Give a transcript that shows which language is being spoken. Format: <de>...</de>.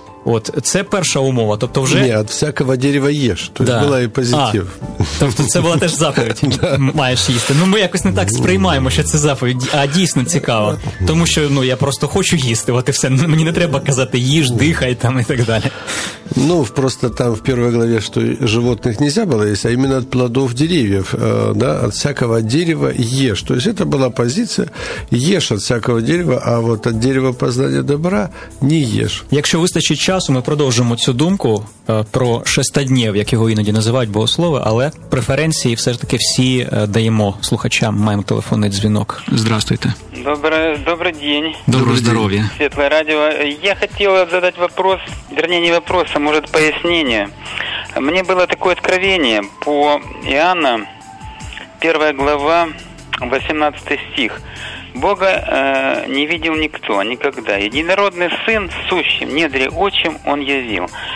<uk>От, це перша умова, тобто вже... Ні, від всякого дерева їж, тобто да. Була і позитив. А, тобто це була теж заповідь, маєш їсти. Ми якось не так сприймаємо, що це заповідь, а дійсно цікаво. Тому що я просто хочу їсти, от і все, мені не треба казати «їж, дихай» там і так далі.</uk> <ru>Просто там в первой главе, что животных нельзя было есть, а именно от плодов деревьев, от всякого дерева ешь. То есть это была позиция: ешь от всякого дерева, а вот от дерева познания добра не ешь.</ru> <uk>Якщо вистачить часу, ми продовжимо цю думку про шестоднев, як його іноді називають богослови, але преференції все ж таки всі даємо слухачам. Маємо телефонний дзвінок.</uk> <ru>Здравствуйте.</ru> <uk>Добрий день. Доброго здоров'я. Світле радіо.</uk> <ru>Я</ru> <uk>хотів задати</uk> <ru>вопрос, вернее, не вопрос, а может пояснение. Мне было такое откровение по Иоанна, 1 глава, 18 стих. Бога не видел никто, никогда. Единородный Сын, сущий в недре отчим, Он явил.</ru>